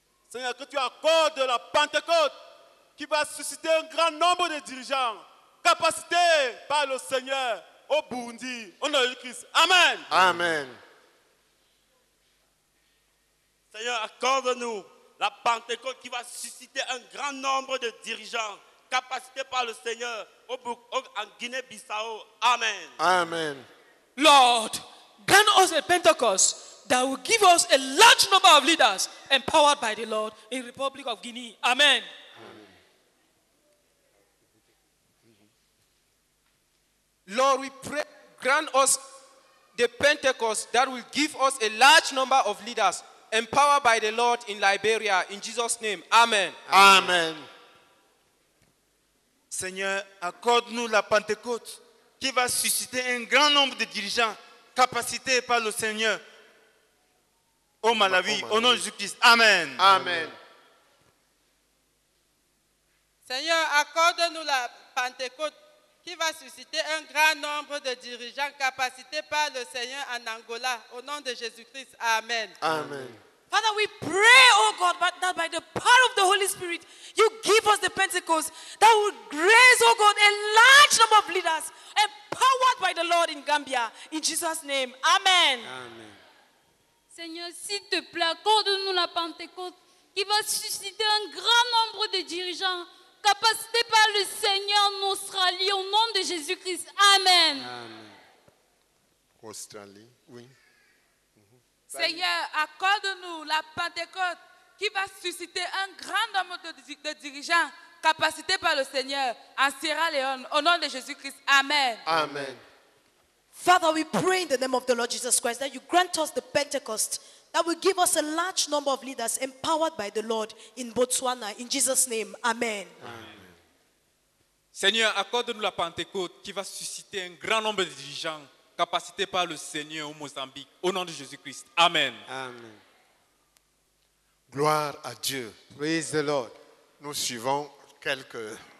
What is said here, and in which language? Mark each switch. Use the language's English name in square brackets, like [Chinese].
[French] Seigneur, que tu accordes la Pentecôte qui va susciter un grand nombre de dirigeants capacités par le Seigneur au Burundi, au nom de Christ. Amen. Amen. Seigneur, accorde-nous la Pentecôte qui va susciter un grand nombre de dirigeants capacités par le Seigneur en Guinée-Bissau. Amen. Amen. [English] Lord, grant us a Pentecost that will give us a large number of leaders empowered by the Lord in the Republic of Guinea. Amen. Lord, we pray, grant us the Pentecost that will give us a large number of leaders empowered by the Lord in Liberia. In Jesus' name, amen. Amen. [French] Seigneur, accorde-nous la Pentecôte qui va susciter un grand nombre de dirigeants capacités par le Seigneur au Malawi, au nom de Jésus-Christ. Amen. Amen. Seigneur, accorde-nous la Pentecôte qui va susciter un grand nombre de dirigeants capacités par le Seigneur en Angola, au nom de Jésus-Christ. Amen. Amen. [English] Father, we pray, oh God, that by the power of the Holy Spirit, you give us the Pentecost that will raise, oh God, a large number of leaders empowered by the Lord in Gambia. In Jesus' name, amen. Amen. [French] Seigneur, s'il te plaît, accorde-nous la Pentecost qui va susciter un grand nombre de dirigeants capacités par le Seigneur en Australie, au nom de Jésus-Christ. Amen. Amen. Australie, oui. Seigneur, accorde-nous la Pentecôte qui va susciter un grand nombre de dirigeants capacités par le Seigneur en Sierra Leone, au nom de Jésus-Christ. Amen. Amen. [English] Father, we pray in the name of the Lord Jesus Christ that you grant us the Pentecost that will give us a large number of leaders empowered by the Lord in Botswana. In Jesus' name, amen. Amen. [French] Seigneur, accorde-nous la Pentecôte qui va susciter un grand nombre de dirigeants capacité par le Seigneur au Mozambique, au nom de Jésus-Christ. Amen. Amen. Gloire à Dieu. [English] Praise the Lord. [French] Nous suivons quelques...